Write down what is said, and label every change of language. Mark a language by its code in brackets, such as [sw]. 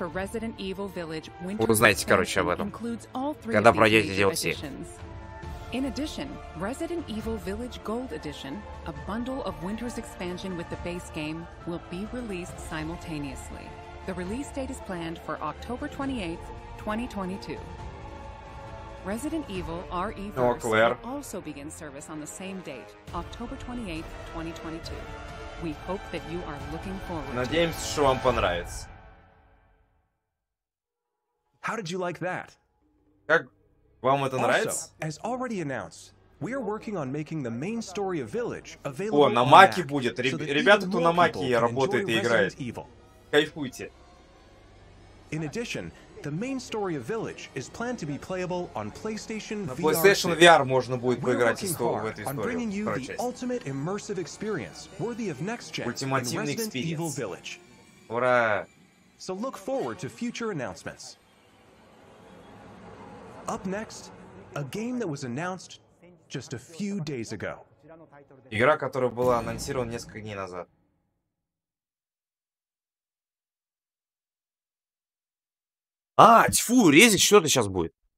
[ru] Узнаете, короче, об этом, когда пройдете DLC. [en] In addition, Resident Evil Village Gold Edition, a bundle of Winter's expansion with the base game, will be released simultaneously. The release date is planned for October 28th, 2022. Resident Evil RE will also begin service on the same date, October 28th, 2022. We hope that you are looking forward. [ru] Надеемся, что вам понравится. [en] How did you like that? [ru] Как вам это нравится? [en] Also, as already announced, we are working on making the main story of Village available. [ru] О, на Маке будет. Ребята, кто на Маке работает и играет. Кайфуйте. [en] In addition, the main story of Village is planned to be playable on PlayStation VR. [ru] PlayStation VR можно будет поиграть в эту историю. [en] The ultimate immersive experience worthy of next gen Resident Evil Village. [ru] Ура! [en] So look forward to future announcements. Up next, a game that was announced just a few days ago. [ru] Игра, которая была анонсирована несколько дней назад. А, тьфу, резик, что это сейчас будет?